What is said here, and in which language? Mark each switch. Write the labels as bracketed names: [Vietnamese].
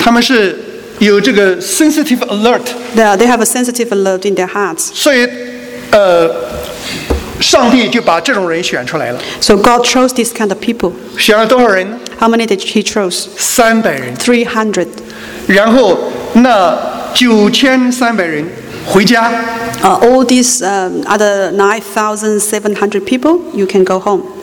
[Chinese] 他们是有这个 [English] sensitive alert。 Yeah, they have a sensitive alert in their hearts. [Chinese] 所以，上帝就把这种人选出来了。 [English] So God chose this kind of people. [Chinese] 选了多少人呢 [English] ？How many did He chose? [Chinese] 300人。 [English] 300。 [Chinese] 然后那9,300人。回家。 [English] All these other 9,700 people, you can go home.